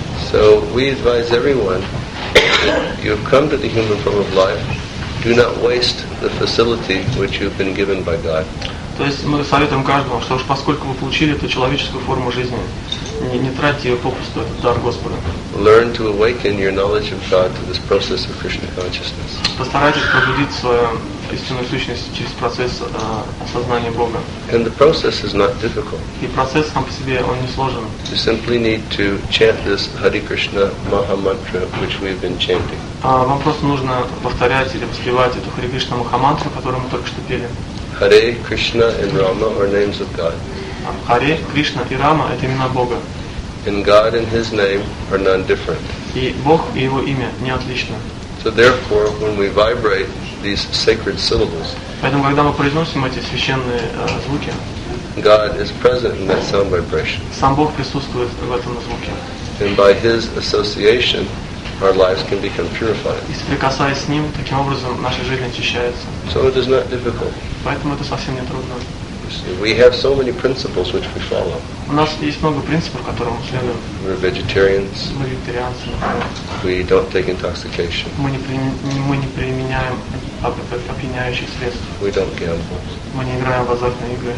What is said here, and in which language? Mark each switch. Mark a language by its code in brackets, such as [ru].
[en] So we advise everyone, you have come to the human form of life, do not waste the facility which you have been given by God. [ru] То есть мы советуем каждому, что уж поскольку вы получили эту человеческую форму жизни, не тратьте ее попусту, этот дар Господа. [en] Learn to awaken your knowledge of God to this process of Krishna consciousness. [ru] Постарайтесь пробудить свою истинную сущность через процесс осознания Бога. [en] And the process is not difficult. [ru] И процесс сам по себе, он не сложен. [en] You simply need to chant this Hare Krishna Maha Mantra, which we've been chanting. [ru] Вам просто нужно повторять или воспевать эту Хари Кришна Маха Мантру, которую мы только что пели. [en] Hare Krishna and Rama are names of God. [ru] Харе, Кришна и Рама — это имена Бога. [en] And God and His name are none different. [ru] И Бог и Его имя не отличны. [en] So therefore, when we vibrate these sacred syllables, [ru] поэтому, когда мы произносим эти священные звуки, [en] God is present in that sound vibration. [ru] Сам Бог присутствует в этом звуке. [en] And by His association, our lives can become purified. [ru] И соприкасаясь с Ним, таким образом наша жизнь очищается. [en] So it is not difficult. [ru] Поэтому это совсем не трудно. [en] We have so many principles which we follow. [ru] У нас есть много принципов, которым мы следуем. [en] We're vegetarians. [ru] Мы вегетарианцы. [en] We don't take intoxication. [ru] Мы не применяем опьяняющих средств. [en] We don't gamble. [ru] Мы не играем в азартные игры.